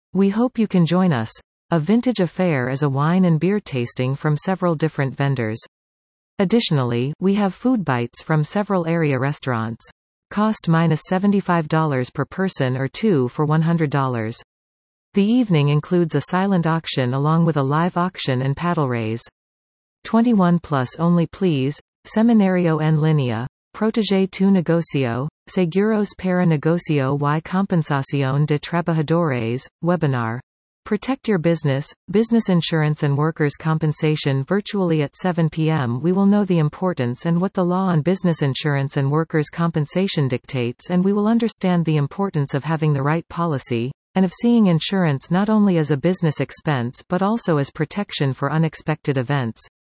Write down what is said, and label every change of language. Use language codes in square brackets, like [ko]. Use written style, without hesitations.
[en] We hope you can join us. A vintage affair is a wine and beer tasting from several different vendors. Additionally, we have food bites from several area restaurants. Cost minus $75 per person or two for $100. The evening includes a silent auction along with a live auction and paddle raise. 21 plus only, please. [es] Seminario en linea, protege tu negocio, seguros para negocio y compensación de trabajadores, webinar. [en] Protect your business, business insurance and workers' compensation virtually at 7 p.m. We will know the importance and what the law on business insurance and workers' compensation dictates, and we will understand the importance of having the right policy, and of seeing insurance not only as a business expense but also as protection for unexpected events.